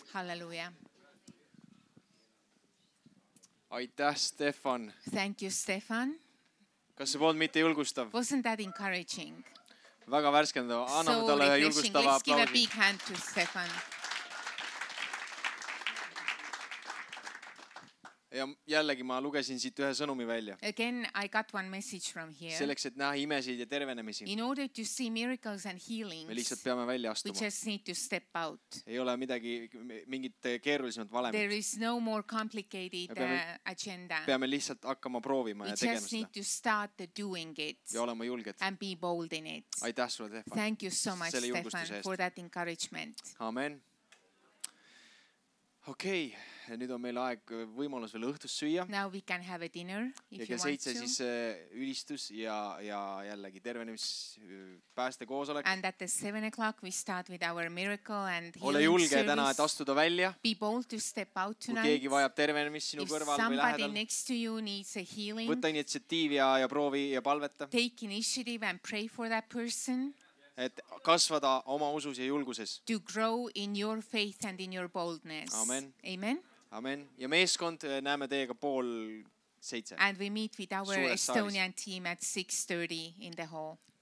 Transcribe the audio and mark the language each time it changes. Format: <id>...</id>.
<en>Hallelujah.</en> <et>Aitäh, Stefan.</et> <en>Thank you, Stefan.</en> <et>Kas see poolt mitte julgustav?</et> <en>Wasn't that encouraging?</en> <et>Väga värskendav. Anname talle julgustava aplausi.</et> <en>Let's give a big hand to Stefan.</en> <et>Ja jällegi ma lugesin siit ühe sõnumi välja.</et> <en>Again, I got one message from here.</en> <et>Selleks, et näha imesid ja tervenemisi.</et> <en>In order to see miracles and healings.</en> <et>Me lihtsalt peame välja astuma.</et> <en>We just need to step out.</en> <et>Ei ole midagi, mingit keerulisemat valemit.</et> <en>There is no more complicated agenda.</en> <et>Peame lihtsalt hakkama proovima ja tegema seda.</et> <en>We just need to start doing it.</en> <et>Ja olema julged.</et> <en>And be bold in it.</en> <et>Aitäh sulle, Stefan.</et> <en>Thank you so much, Stefan, for that encouragement. Amen.</en> <et>Okei. Ja nüüd on meil aeg võimalus veel õhtus süüa.</et> <en>Now we can have a dinner if</en> <et>ja</et> <en>you want to.</en> <et>Siis ülistus ja jällegi tervenemis pääste koosolek.</et> <en>And at the 7 o'clock we start with our miracle and healing</en> <et>ole julge</et> <en>service.</en> <et>Täna, et astuda välja.</et> <en>Be bold to step out tonight.</en> <et>Kui keegi vajab tervenemis sinu</et> <en>if</en> <et>kõrval või lähedal.</et> <en>If somebody next to you needs a healing.</en> <et>Võta initsiatiiv ja proovi ja palveta.</et> <en>Take initiative and pray for that person.</en> <et>Et kasvada oma usus ja julguses.</et> <en>To grow in your faith and in your boldness. Amen. Amen. Amen.</en> <et>Ja meeskond näeme teiega 6:30.</et> <en>And we meet with our Estonian team at 6:30 in the hall.</en>